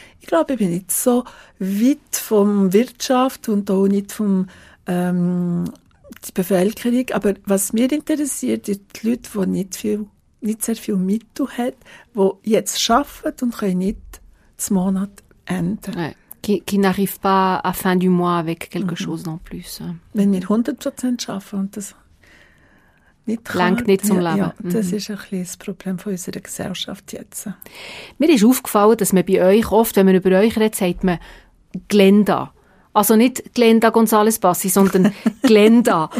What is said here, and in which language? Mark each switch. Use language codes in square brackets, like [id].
[de] Ich glaube, ich bin nicht so weit von Wirtschaft und auch nicht von die Bevölkerung. Aber was mich interessiert, sind die Leute, die nicht sehr viel Mittel haben, die jetzt arbeiten und können nicht den Monat ändern. Nein. [fr] Qui n'arrive pas à fin du mois avec quelque chose non plus. [de] Wenn wir 100% arbeiten und das nicht kann. Längt nicht zum Leben. Ja, das ist ein kleines Problem von unserer Gesellschaft jetzt. Mir ist aufgefallen, dass man bei euch oft, wenn man über euch redet, sagt man Glenda. Also nicht Glenda González-Bassi, sondern Glenda.